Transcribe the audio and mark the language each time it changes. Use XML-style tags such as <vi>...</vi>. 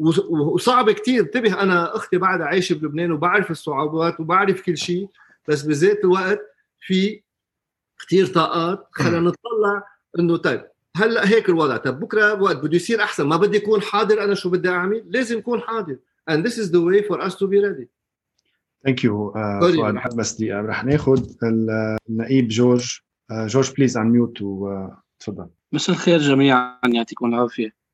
<ar>وصعب كتير، انتبه انا اختي بعد عايشه بلبنان وبعرف الصعوبات وبعرف كل شيء، بس بذات الوقت في كتير طاقات. خلينا نطلع انه طيب هلا هيك الوضع، طب بكره وقت بده يصير احسن، ما بدي اكون حاضر انا شو بدي اعمل، لازم اكون حاضر.</ar> <en>And this is the way for us to be ready. Thank you.</en> <ar>فؤاد بس دقيقه رح ناخذ النقيب جورج.</ar> <en>George please unmute وتفضل.</en> <ar>مساء الخير جميعا، يعطيكم العافيه.</ar>